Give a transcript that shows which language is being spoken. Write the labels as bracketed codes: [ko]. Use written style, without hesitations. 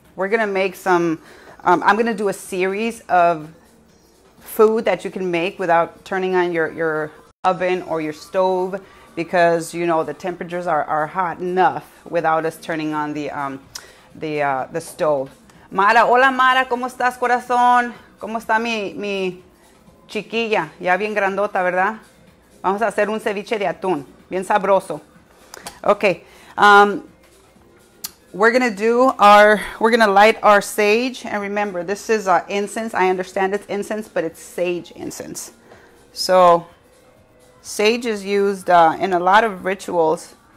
[en] We're going to make some, I'm going to do a series of food that you can make without turning on your oven or your stove, because, you know, the temperatures are hot enough without us turning on the stove. [es] Mara, hola Mara, ¿cómo estás, corazón? ¿Cómo está mi chiquilla? Ya bien grandota, ¿verdad? Vamos a hacer un ceviche de atún, bien sabroso. [en] Okay, we're gonna light our sage, and remember, this is incense. I understand it's incense, but it's sage incense. So, sage is used in a lot of rituals.